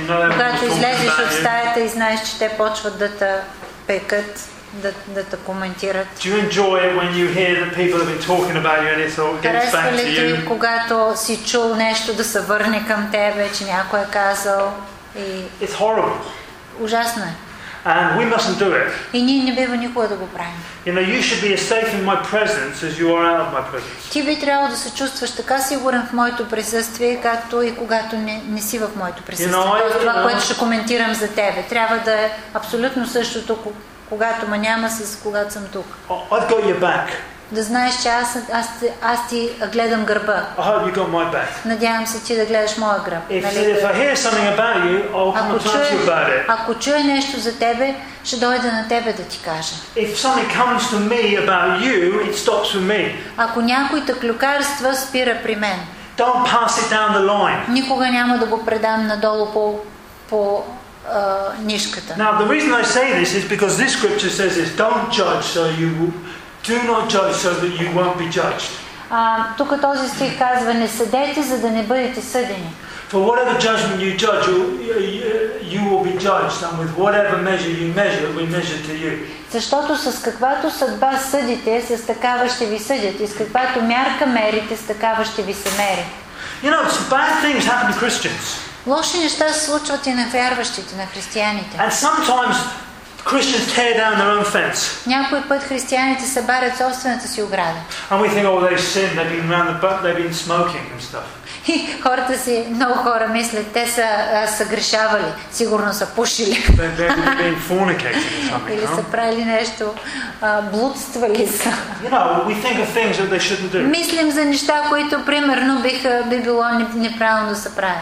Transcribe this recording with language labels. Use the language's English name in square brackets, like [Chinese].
[Bulgarian] Когато излезеш от стаята и знаеш, че те почват да те пекат? Да те коментират. [English] Do you enjoy it when you hear that people have been talking about you and it all gets back to you? [Bulgarian] Харесва ли ти, когато си чул нещо да се върне към тебе, че някой е казал и... [English] It's horrible. [Bulgarian] Ужасно е. [English] And we mustn't do it. [Bulgarian] И ние не бива никога да го правим. [English] You know, you should be as safe in my presence as you are out of my presence. [Bulgarian] Ти би трябвало да се чувстваш така сигурен в моето присъствие, както и когато не си в моето присъствие. [English] You know, [Bulgarian] това, това, което ще коментирам за тебе, трябва да е абсолютно същото, когато ме няма с когато съм тук. [English] I've got your back. [Bulgarian] Да знаеш, че аз ти гледам гърба. [English] I hope you got my back. [Bulgarian] Надявам се ти да гледаш моя гръб. [English] If I hear something about you, I'll come and talk to you about it. [Bulgarian] Ако чуя нещо за тебе, ще дойда на тебе да ти кажа. [English] If something comes to me about you, it stops with me. [Bulgarian] Ако някой те клюкарства, спира при мен. [English] Don't pass it down the line. [Bulgarian] Никога няма да го предам надолу по нишката. [English] Now the reason I say this is because this scripture says this: don't judge so you do not judge so that you won't be judged. [Bulgarian] Тук този стих казва: не съдете, за да не бъдете съдени. [English] For whatever judgment you judge, you will be judged, and with whatever measure you measure, we measure to you. [Bulgarian] Защото с каквато съдба съдите, с такава ще ви съдят, и с каквато мярка мерите, с такава ще ви се мери. [English] You know, some bad things happen to Christians. [Bulgarian] Лоши неща се случват и на вярващите, на християните. [English] And sometimes Christians tear down their own fence. [Bulgarian] Някой път християните събарят собствената си ограда. [English] And we think, oh, they sin, they've been around the butt, they've been smoking and stuff. [Bulgarian] И хората си, много хора мислят, те са съгрешавали, сигурно са пушили. [English] Been fornicating or something. [Bulgarian] Или са правили нещо, блудствали са. [English] You know, we think of things that they shouldn't do. [Bulgarian] Мислим за неща, които примерно би било неправилно да се правят.